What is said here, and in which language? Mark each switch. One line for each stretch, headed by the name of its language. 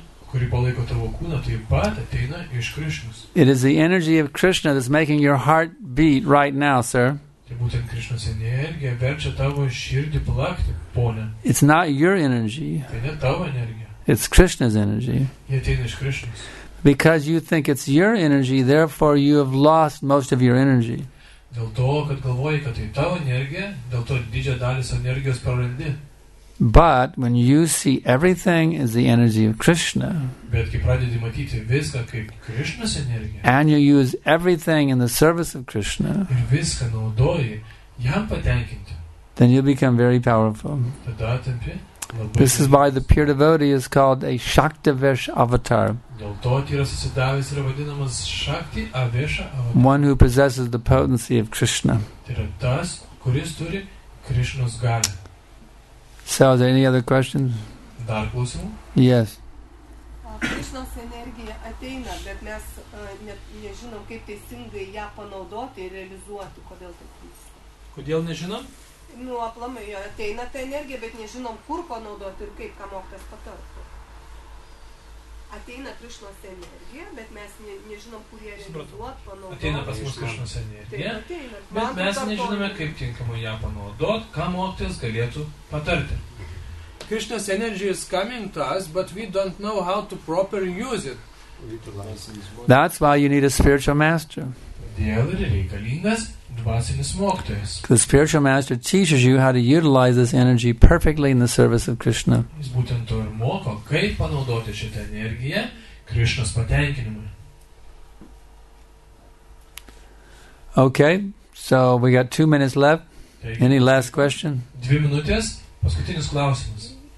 Lithuanian: Kuri palaiko tavo kūną, taip pat ateina iš Krishnos.
English: It is the energy of Krishna that's making your heart beat right now, sir.
Lithuanian: Tai būtent Krishnos energija verčia tavo širdį plakti, pone.
English: It's not your energy.
Lithuanian: Tai ne tavo energija.
English: It's Krishna's energy.
Lithuanian: Jie ateina iš Krishnos.
English: Because you think it's your energy, therefore you have lost most of your energy.
Lithuanian: Dėl to, kad galvoji, kad tai tavo energija, dėl to didžią dalį energijos prarandi.
English: But when you see everything as the energy of Krishna,
Lithuanian: bet kai pradedi matyti viską kaip Krishnos energija,
English: and you use everything in the service of Krishna,
Lithuanian: ir viską naudoji jam patenkinti,
English: then you become very powerful.
Lithuanian: Tada tampi labai
English: This is why the pure devotee is called a Shaktivesh avatar.
Lithuanian: Dėl to yra susidavęs yra vadinamas Shakti Avesha avatar.
English: One who possesses the potency of Krishna.
Lithuanian: Tai yra tas, kuris turi Krishnos galią.
English: So, is there any other questions?
Lithuanian: Dar klausimų?
English: Yes.
Lithuanian: Krishnos energija ateina, bet mes nežinom, kaip teisingai ją panaudoti ir realizuoti. Kodėl taip vyksta? Kodėl nežinom? Nu, aplamai, ateina ta energija, bet nežinom, kur panaudoti ir kaip, ką mokytas patartų. Ateina Krishnos energija, bet mes nežinom, kur ją realizuoti, panaudoti. Ateina pas mus Krishnos energija, taip, bet mes nežinome, kaip tinkamai ją panaudoti, ką mokytas galėtų patarti. Krishnos energija
English: is coming to us, but we don't know how to properly use it. That's why you need a spiritual master.
Lithuanian: Dėl ir reikalingas dvasinis mokytojas.
English: The spiritual master teaches you how to utilize this energy perfectly in the service of Krishna.
Lithuanian: Jis būtent to ir moko, kaip panaudoti šitą energiją Krishnos patenkinimui.
English: Okay, so we got 2 minutes left. Any last question?
Lithuanian: 2 minutės, paskutinis klausimas.